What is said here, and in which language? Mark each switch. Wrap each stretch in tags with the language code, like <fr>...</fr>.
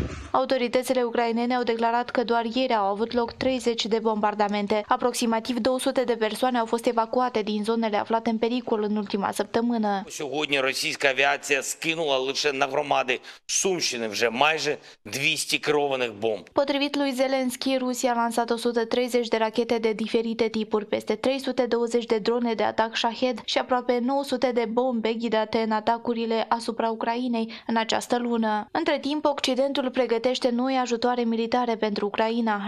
<ro>Autoritățile ucrainene au declarat că doar ieri au avut loc 30 de bombardamente. Aproximativ 200 de persoane au fost evacuate din zonele aflate în pericol în ultima săptămână.</ro> <uk>Сьогодні російська авіація скинула лише на громади Сумщини вже майже 200 керованих бомб.</uk> <ro>Potrivit lui Zelensky, Rusia a lansat 130 de rachete de diferite tipuri, peste 320 de drone de atac Shahed și aproape 900 de bombe ghidate în atacurile asupra Ucrainei în această lună. Între timp, Occidentul pregătește noi ajutoare militare pentru Ucraina.</ro>